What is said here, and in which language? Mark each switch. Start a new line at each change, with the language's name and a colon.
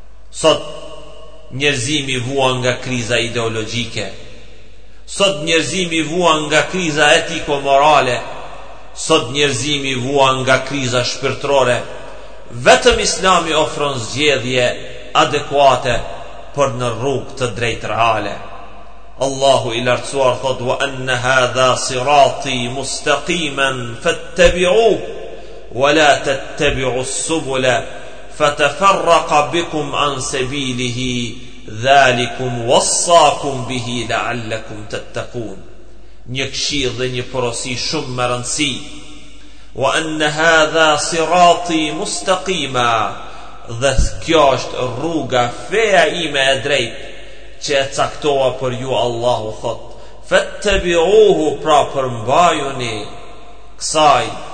Albanian: Sot njerëzimi vuan nga kriza ideologjike. Sot njerëzimi vuan nga kriza etiko-morale. Sot njerëzimi vuan nga kriza shpirtërore. Vetëm Islami ofron zgjedhje adekuate për në rrugë të drejtë reale. Allahu i lartësuar thot:
Arabic: wa anna hadha sirati mustaqiman fattabi'u ولا تتبعوا السبل فتفرق بكم عن سبيله ذلكم وصاكم به لعلكم تتقون.
Albanian: Një këshill dhe një porosi shumë me rëndësi.
Arabic: Wa anna hadha sirati mustaqima,
Albanian: dhe kjo është rruga, feja ime e drejtë që e caktoa për ju Allahu thot. Fattabi'uhu, pra përmbajuni kësaj.